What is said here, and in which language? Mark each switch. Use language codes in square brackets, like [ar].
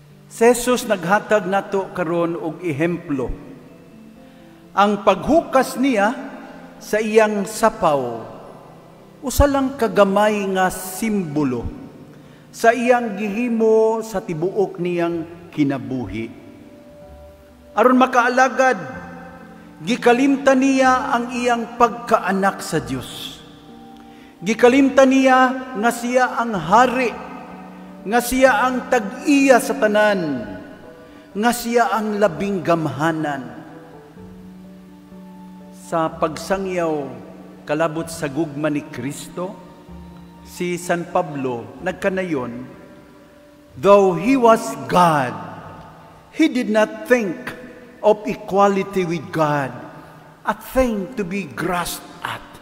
[ceb] Si Jesus naghatag nato karon og ehemplo. Ang paghukas niya sa iyang sapaw, usa lang kagamay nga simbolo sa iyang gihimo sa tibuok niyang kinabuhi. Aron makaalagad, gikalimta niya ang iyang pagkaanak sa Diyos. Gikalimta niya nga siya ang hari, nga siya ang tag-iya sa tanan, nga siya ang labing gamhanan. Sa pagsangyaw kalabot sa gugma ni Kristo, si San Pablo nagkanayon, [en] "Though he was God, he did not think of equality with God a thing to be grasped at.